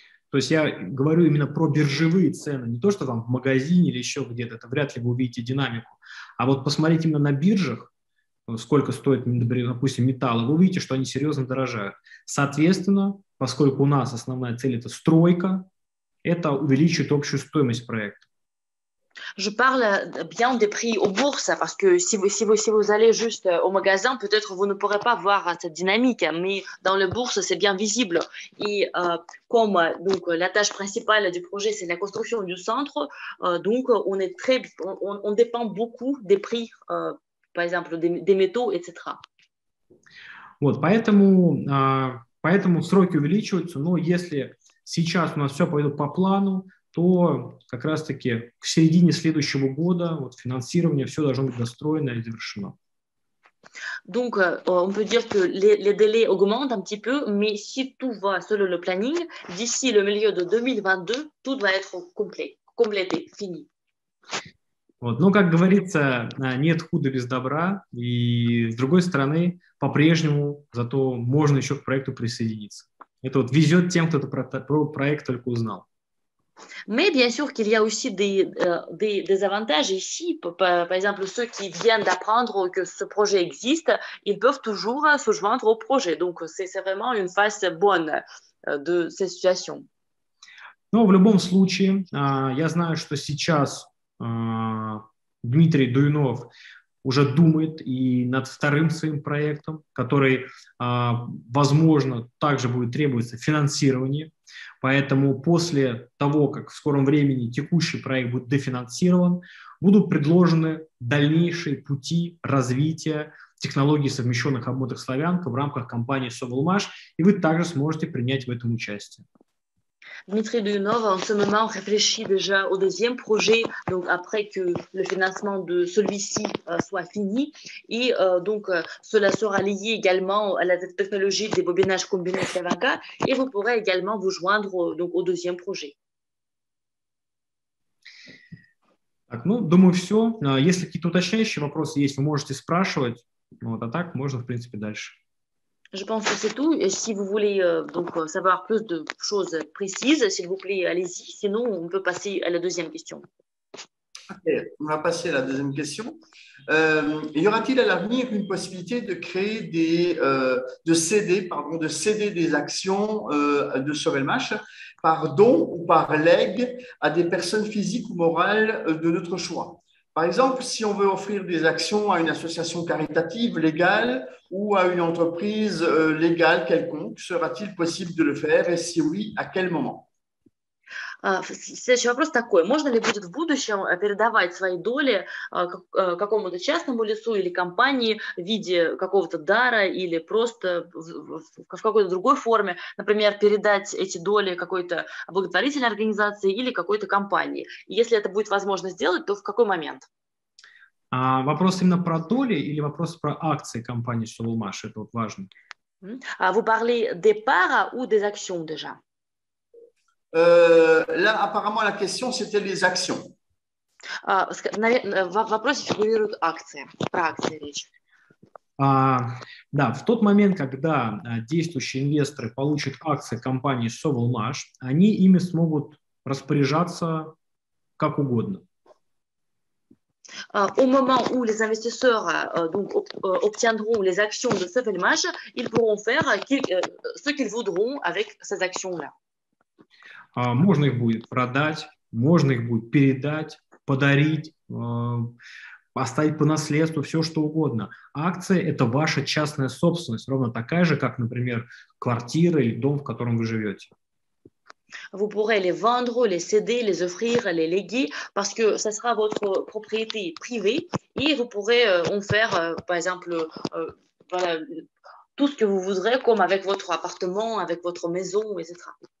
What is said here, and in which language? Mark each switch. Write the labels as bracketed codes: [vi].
[ru] То есть я говорю именно про биржевые цены, не то, что там в магазине или еще где-то, это вряд ли вы увидите динамику, а вот посмотрите именно на биржах, сколько стоит, допустим, металлы, вы увидите, что они серьезно дорожают. Соответственно, поскольку у нас основная цель – это стройка, это увеличивает общую стоимость проекта. [fr] Je parle bien des prix aux bourses, parce que si vous allez juste au magasin, peut-être vous ne pourrez pas voir cette dynamique, mais dans les bourses, c'est bien visible. Et comme donc, la tâche principale du projet, c'est la construction du centre, donc on dépend beaucoup des prix par exemple, des métaux, etc. [ru] Вот, поэтому сроки увеличиваются, но если сейчас у нас все пойдет по плану, то как раз-таки к середине следующего года вот, финансирование все должно быть достроено и завершено. [fr] Donc, on peut dire que les délais augmentent un petit peu, mais si tout va selon le planning, d'ici le milieu de 2022, tout va être complété, fini. [ru] Вот. Но, как говорится, нет худа без добра, и, с другой стороны, по-прежнему зато можно еще к проекту присоединиться. Это вот везет тем, кто про проект только узнал. [fr] Mais bien sûr qu'il y a aussi des avantages ici. Par exemple, ceux qui viennent d'apprendre que ce projet existe, ils peuvent toujours se joindre au projet. Donc, c'est vraiment une face bonne de cette situation. [ru] Ну, в любом случае, я знаю, что сейчас Дмитрий Дуйнов уже думает и над вторым своим проектом, который, возможно, также будет требоваться финансирование. Поэтому после того, как в скором времени текущий проект будет дофинансирован, будут предложены дальнейшие пути развития технологий совмещенных обмоток «Славянка» в рамках компании «Совалмаш», и вы также сможете принять в этом участие. [fr] Dmitry Dunov, en ce moment, réfléchit déjà au deuxième projet, donc après que le financement de celui-ci soit fini. Et donc, cela sera lié également à la technologie des bobinages combinés Slavanka. Et vous pourrez également vous joindre donc, au deuxième projet. [ru] Так, ну, думаю, все. Если какие-то уточняющие вопросы есть, вы можете спрашивать. Вот, а так можно, в принципе, дальше. [fr] Je pense que c'est tout. Et si vous voulez donc savoir plus de choses précises, s'il vous plaît, allez-y. Sinon, on peut passer à la deuxième question. Okay. On va passer à la deuxième question. Y aura-t-il à l'avenir une possibilité de créer de céder des actions de Sovelmash par don ou par legs à des personnes physiques ou morales de notre choix? Par exemple, si on veut offrir des actions à une association caritative légale ou à une entreprise légale quelconque, sera-t-il possible de le faire? Et si oui, à quel moment? [ru] Следующий вопрос такой. Можно ли будет в будущем передавать свои доли какому-то частному лицу или компании в виде какого-то дара или просто в какой-то другой форме, например, передать эти доли какой-то благотворительной организации или какой-то компании? И если это будет возможно сделать, то в какой момент? Вопрос именно про доли или вопрос про акции компании Sovelmash? Это вот важно. Вы [fr] parlez des parts ou des actions déjà? Là, apparemment, la question, c'était les actions. [ru] Вопрос фигурирует акции. Про акции речь. Да, в тот момент, когда действующие инвесторы получат акции компании Sovelmash, они ими смогут распоряжаться как угодно. [fr] Au moment où les investisseurs obtiendront les actions de Sevelmash, ils pourront faire ce qu'ils voudront avec ces actions-là. [ru] Можно их будет продать, можно их будет передать, подарить, оставить по наследству, все что угодно. Акция – это ваша частная собственность, ровно такая же, как, например, квартира или дом, в котором вы живете. [fr] Vous pourrez les vendre, les céder, les offrir, les léguer, parce que ce sera votre propriété privée et vous pourrez en faire, par exemple, voilà, tout ce que vous voudrez, comme avec votre appartement, avec votre maison, etc.